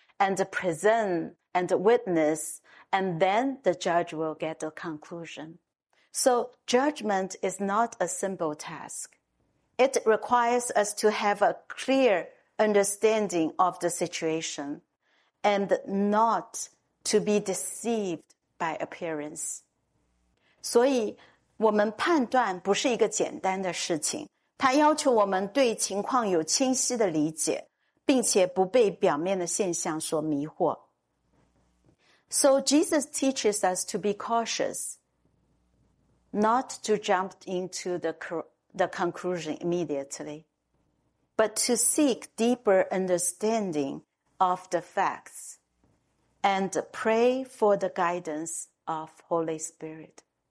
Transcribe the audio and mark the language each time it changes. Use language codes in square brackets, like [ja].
[en] and present and witness, and then the judge will get a conclusion. So judgment is not a simple task. It requires us to have a clear understanding of the situation and not to be deceived by appearance. [zh] 所以我们判断不是一个简单的事情。它要求我们对情况有清晰的理解, 并且不被表面的现象所迷惑。 [en] So Jesus teaches us to be cautious, not to jump into the conclusion immediately, but to seek deeper understanding of the facts and pray for the guidance of Holy Spirit.